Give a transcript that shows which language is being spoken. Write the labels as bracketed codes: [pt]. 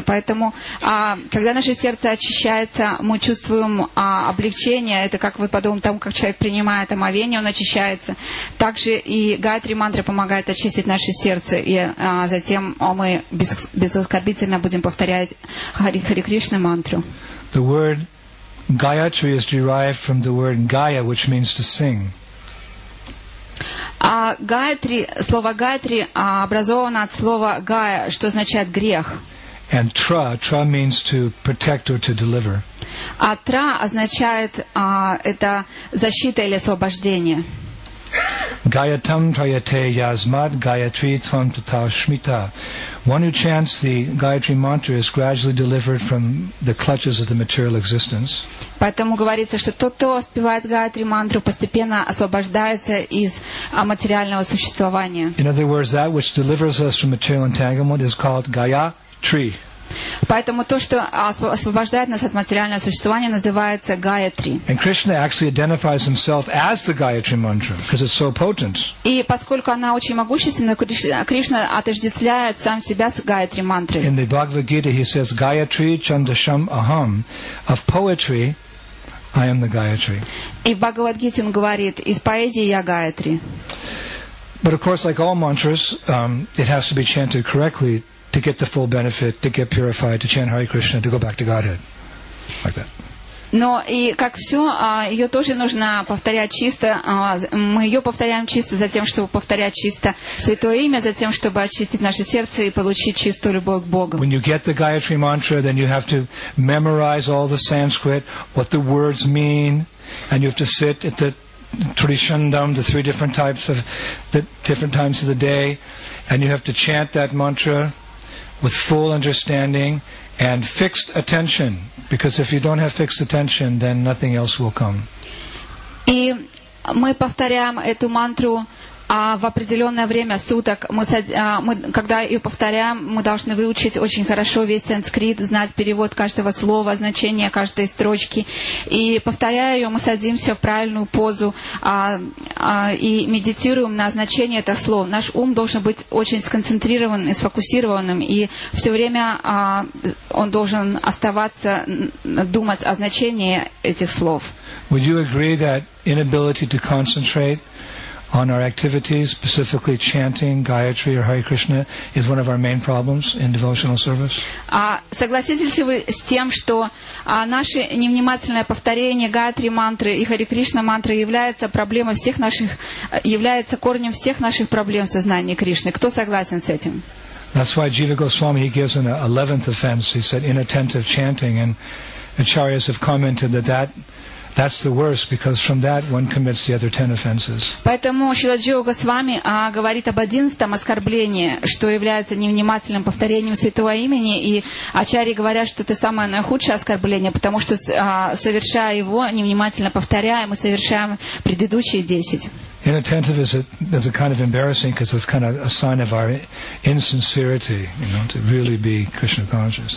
[ru] Поэтому, когда наше сердце очищается, мы чувствуем облегчение. Это как вот подобно тому, как человек принимает омовение, он очищается. Также и Гаятри мантра помогает очистить наше сердце. И затем мы безоскорбительно будем повторять Харе Кришна мантру. [en] The word Gayatri is derived from the word Gaya, which means to sing. [ru] А Гаятри, слово Гаятри образовано от слова Гая, что означает грех. [en] And tra means to protect or to deliver. [ru] А tra означает это защита или освобождение. [sa] Gayatam trayate yasmad Gayatri tvam tatah shmita. [en] One who chants the Gayatri mantra is gradually delivered from the clutches of the material existence. [ru] Поэтому говорится, что тот, кто воспевает Гаятри мантру, постепенно освобождается из материального существования. [en] In other words, that which delivers us from material entanglement is called Gayatri. [ru] Поэтому то, что освобождает нас от материального существования, называется Гаятри. [en] And Krishna actually identifies himself as the Gayatri mantra, because it's so potent. [ru] И поскольку она очень могущественна, Кришна отождествляет сам себя с Гаятри мантрой. [en] In the Bhagavad Gita he says, [sa] Gayatri Chandasham Aham. [en] Of poetry, I am the Gayatri. [ru] И в Бхагавад Гите он говорит, из поэзии я Гаятри. [en] But of course, like all mantras, it has to be chanted correctly. To get the full benefit, to get purified, to chant Hare Krishna, to go back to Godhead, like that. [ru] Но и как все, ее тоже нужно повторять чисто. Мы ее повторяем чисто, затем чтобы повторять чисто святое имя, затем чтобы очистить наше сердце и получить чистую любовь к Богу. [en] When you get the Gayatri mantra, then you have to memorize all the Sanskrit, what the words mean, and you have to sit at the Trishandam, the three different types of the different times of the day, and you have to chant that mantra. With full understanding and fixed attention, because if you don't have fixed attention, then nothing else will come. [ru] И мы повторяем эту мантру в определенное время суток. Мы когда ее повторяем, мы должны выучить очень хорошо весь санскрит, знать перевод каждого слова, значение каждой строчки. И повторяя ее, мы садимся в правильную позу и медитируем на значение этого слова. Наш ум должен быть очень сконцентрированным, сфокусированным, и все время он должен оставаться думать о значении этих слов. [en] Would you agree that inability to concentrate on our activities, specifically chanting Gayatri or Hare Krishna, is one of our main problems in devotional service? [ru] Согласитесь ли вы с тем, что наше невнимательное повторение Гаятри мантры и Хари Кришна мантры является проблемой всех наших, является корнем всех наших проблем в сознании Кришны? Кто согласен с этим? [en] That's why Jiva Goswami, he gives an 11th offense. He said inattentive chanting, and acharyas have commented that's the worst, because from that one commits the other 10 offenses. [ru] Поэтому Шрила Джива Госвами говорит об 11-м оскорблении, что является невнимательным повторением святого имени, и ачарьи говорят, что это самое наихудшее оскорбление, потому что совершая его, невнимательно повторяя, мы совершаем предыдущие 10. [en] Inattentive is a kind of embarrassing, because it's kind of a sign of our insincerity, to really be Krishna conscious.